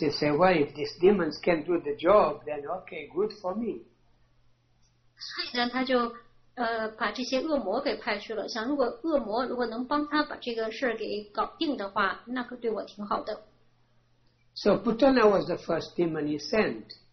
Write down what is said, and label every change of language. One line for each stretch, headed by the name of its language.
English: You say, well, if these demons can do the job, then okay, good for me.
Chinese: 所以呢，他就把这些恶魔给派去了。想如果恶魔能帮他把这个事给搞定的话，那可对我挺好的。
English: So Putana was the first demon he sent.